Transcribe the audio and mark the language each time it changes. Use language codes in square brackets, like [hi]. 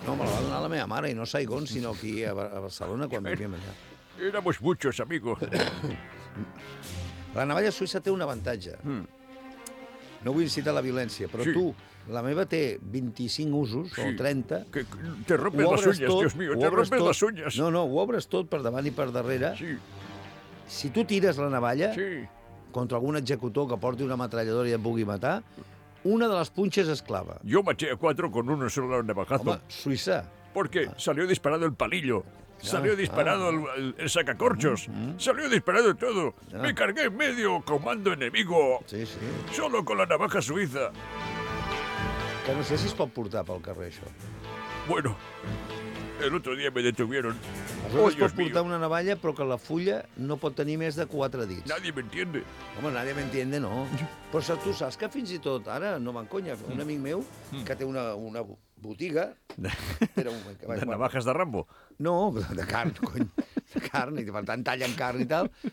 [ca] No, me la va donar la meva mare, i no Saigón, sinó aquí a Barcelona, quan vivíem allà. [es] Éramos muchos, amigo. [ca] La navalla suïssa té un avantatge. No vull incitar la violència, però tu, la meva té 25 usos, o 30... [es] Que te rompes les uñas, Dios mío, te rompes les uñas. [ca] No, no, ho obres tot per davant i per darrere. Sí. Si tu tires la navalla contra algun executor que porti una metralladora i et pugui matar, una de les punxes es clava. [es] Yo maté a cuatro con uno solo navajazo. [ca] Home, suïssa. [es] Porque salió disparado el palillo. Salió disparado el sacacorchos. Salió disparado todo. Me cargué en medio comando enemigo. Sí, sí. Solo con la navaja suiza. [ca] Que no sé si es pot portar pel carrer, això. [es] Bueno, el otro día me detuvieron. [ca] Es pot portar una navalla, però que la fulla no pot tenir més de 4 dits. [es] Nadie me entiende. [ca] Home, [es] nadie me entiende, [ca] no. Però saps, tu saps que fins i tot, ara, no van conya, un amic meu que té una botiga... [es] De navajes de Rambo? [ca] No, de carn, cony. De carn, i per tant tallen carn i tal.